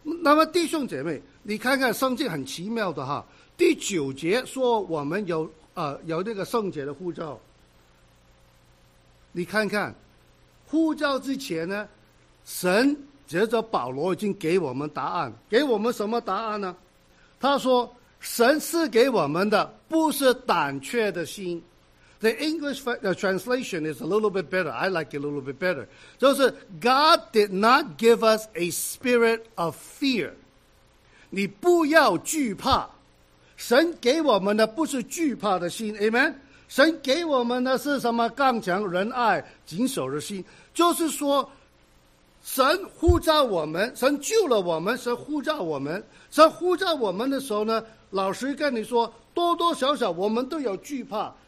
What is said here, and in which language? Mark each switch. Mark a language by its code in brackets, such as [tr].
[zh] 那么弟兄姐妹，你看看圣经很奇妙的哈，第九节说我们有那个圣洁的护照。你看看护照之前呢，神接着保罗已经给我们答案，给我们什么答案呢？他说神赐给我们的不是胆怯的心。 [en] The English translation is a little bit better. I like it a little bit better. [zh] 就是 [en] God did not give us a spirit of fear. [zh] 你不要惧怕。神给我们的不是惧怕的心。 Amen。 神给我们的是什么？刚强仁爱谨守的心。就是说神护照我们，神救了我们，神护照我们。神护照我们的时候呢，老师跟你说，多多少少我们都有惧怕。